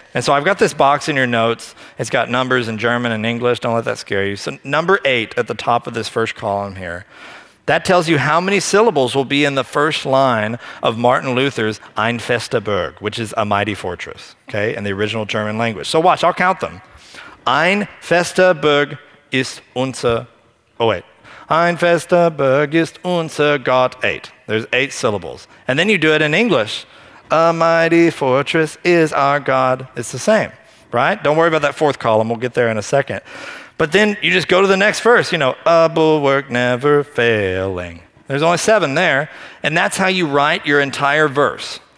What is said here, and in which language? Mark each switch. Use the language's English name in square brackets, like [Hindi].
[English] And so I've got this box in your notes. It's got numbers in German and English. Don't let that scare you. So number 8 at the top of this first column here, that tells you how many syllables will be in the first line of Martin Luther's Ein fester Berg, which is a mighty fortress, okay, in the original German language. So watch, I'll count them. [German] Ein fester Berg ist unser, [English] oh wait. [German] Ein fester Berg ist unser Gott. [English] 8. There's 8 syllables. And then you do it in English. A mighty fortress is our God. It's the same, right? Don't worry about that fourth column. We'll get there in a second. But then you just go to the next verse, you know, a bulwark never failing. There's only 7 there. And that's how you write your entire verse.